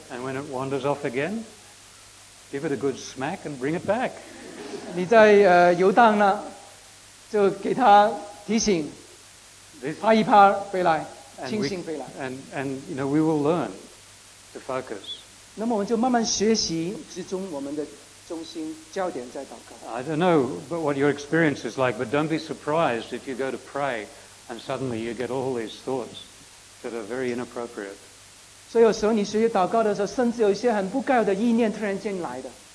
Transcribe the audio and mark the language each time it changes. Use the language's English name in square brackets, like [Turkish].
[English] And when it wanders off again, give it a good smack and bring it back. [Chinese] 你在游荡了，就给他提醒。 [English] And you know, we will learn to focus. [Chinese] 那么我们就慢慢学习，集中我们的中心焦点在祷告。 [English] I don't know but what your experience is like, but don't be surprised if you go to pray and suddenly you get all these thoughts that are very inappropriate. [Chinese] 所以有时候你学习祷告的时候，甚至有一些很不该的意念突然间来的。